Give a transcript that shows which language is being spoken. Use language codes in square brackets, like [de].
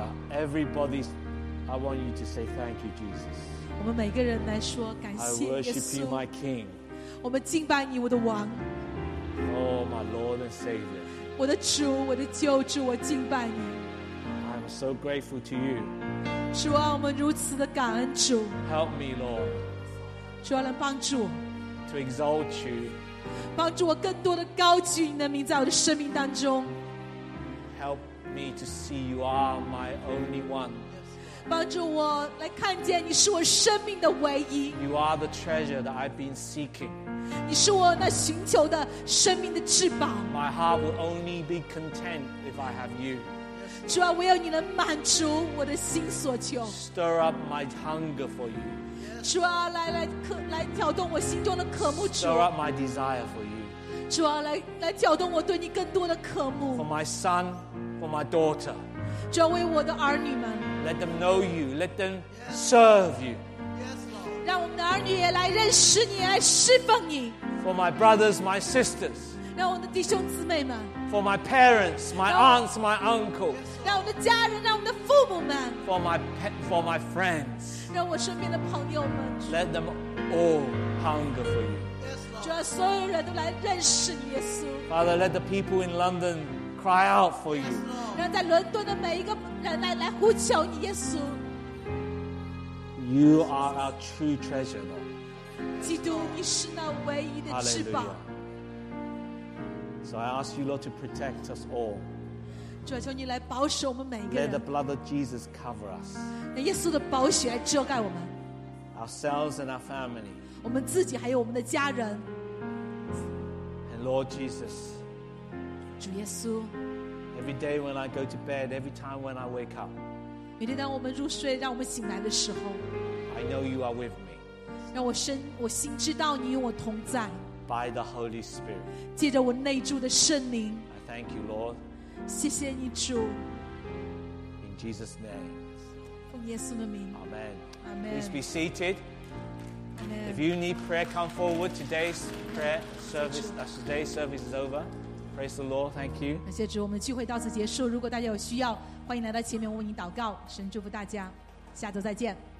[en] everybody, I want you to say thank you, Jesus. [zh] 我们每个人来说感谢耶稣。 [en] I worship you, my King. [zh] 我们敬拜你，我的王。 [en] Oh, my Lord and Savior. [zh] 我的主，我的救主，我敬拜你。 [en] I'm so grateful to you. [zh] 主啊，我们如此的感恩主。 [en] Help me, Lord. [zh] 主啊，来帮助我。 [en] To exalt you. [zh] 帮助我更多的高举你的名，在我的生命当中。 [en] Help me to see you are my only one. [zh] 帮助我来看见你是我生命的唯一。 [en] You are the treasure that I've been seeking. [zh] 你是我那寻求的生命的至宝。 [en] My heart will only be content if I have you. [zh] 主啊，唯有你能满足我的心所求。 [en] Stir up my hunger for you. [zh] 主啊，来挑动我心中的渴慕。 [en] Stir up my desire for you. [zh] 主啊，来搅动我对你更多的渴慕。 [en] For my son, for my daughter. [zh] 主啊，为我的儿女们。 [en] Let them know you, let them serve you. Yes, Lord. [zh] 让我们的儿女也来认识你，来侍奉你。 [en] For my brothers, my sisters. [zh] 让我的弟兄姊妹们。 [en] For my parents, my aunts, my uncles. [zh] 让我的家人，让我的父母们。 [en] For my friends. [zh] 让我身边的朋友们。 [en] Let them all hunger for you. [zh] 主啊，所有人都来认识你，耶稣。 [en] Father, let the people in London cry out for you. [zh] 让在伦敦的每一个人来呼求你，耶稣。 [en] You are our true treasure, Lord. [zh] 基督，你是那唯一的至宝。 [en] So I ask you, Lord, to protect us all. [zh] 主啊，求你来保守我们每一个人。 [en] Let the blood of Jesus cover us. [zh] 让耶稣的宝血来遮盖我们。 [en] Ourselves and our family. [zh] 我们自己还有我们的家人。 [en] And Lord Jesus, [zh] 主耶稣。 [en] Every day when I go to bed, every time when I wake up, [zh] 每天当我们入睡，让我们醒来的时候 [en] ，I know you are with me. [zh] 让我心知道你与我同在。 [en] By the Holy Spirit, [zh] 借着我内住的圣灵。 [en] I thank you, Lord. [zh] 谢谢你，主。 [en] In Jesus' name, [zh] 奉耶稣的名。 [en] Amen. Amen. Please be seated. If you need prayer, come forward. Today's prayer service, today's service is over. Praise the Lord. Thank you. [zh] 感谢主，我们的聚会到此结束。如果大家有需要，欢迎来到前面，我为你祷告。神祝福大家，下周再见。